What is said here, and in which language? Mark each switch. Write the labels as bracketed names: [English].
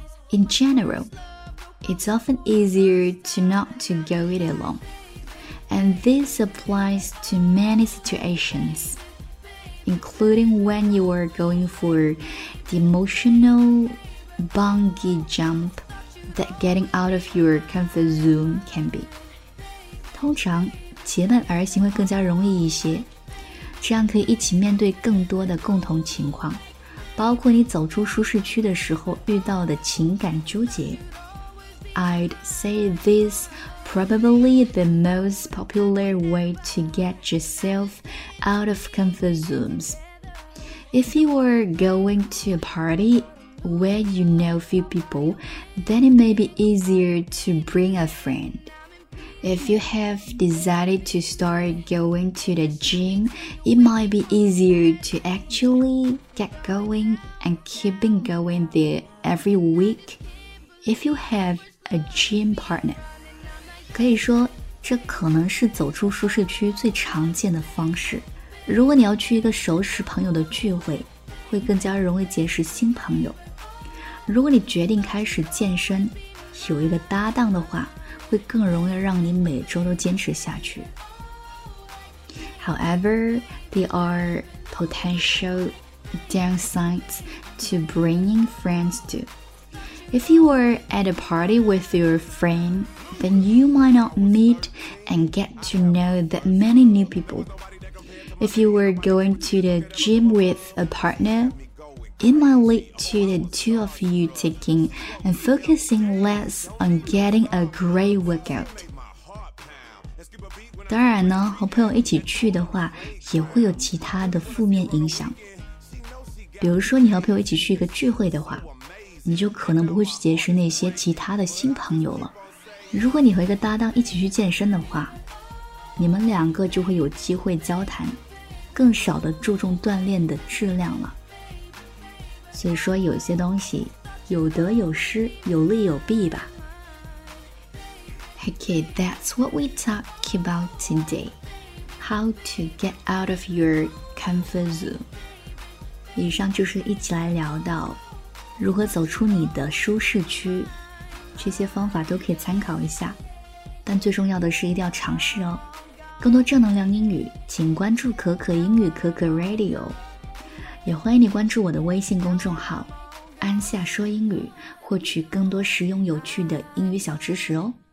[English] In general, it's often easier to not to go it alone, and this applies to many situations, including when you are going for the emotional bungee jump that getting out of your comfort zone can be. [Chinese] 通常结伴而行会更加容易一些，这样可以一起面对更多的共同情况，包括你走出舒适区的时候遇到的情感纠结。 [English] I'd say this probably the most popular way to get yourself out of comfort zones. If you are going to a party where you know few people, then it may be easier to bring a friend. If you have decided to start going to the gym, it might be easier to actually get going and keeping going there every week if you have a gym partner. [Chinese] 可以说这可能是走出舒适区最常见的方式。如果你要去一个熟识朋友的聚会，会更加容易结识新朋友。如果你决定开始健身，有一个搭档的话，会更容易让你每周都坚持下去。 [English] However, there are potential downsides to bringing friends too. If you are at a party with your friend, then you might not meet and get to know that many new people. If you were going to the gym with a partner, it might lead to the two of you taking and focusing less on getting a great workout. [Chinese] 当然呢，和朋友一起去的话，也会有其他的负面影响。比如说，你和朋友一起去一个聚会的话，你就可能不会去结识那些其他的新朋友了。如果你和一个搭档一起去健身的话，你们两个就会有机会交谈，更少的注重锻炼的质量了。所以说有些东西有得有失，有利有弊吧。 [English] Okay, that's what we talk about today. How to get out of your comfort zone. [Chinese] 以上就是一起来聊到如何走出你的舒适区，这些方法都可以参考一下，但最重要的是一定要尝试哦。更多正能量英语请关注可可英语可可 Radio，也欢迎你关注我的微信公众号安夏说英语，获取更多实用有趣的英语小知识哦。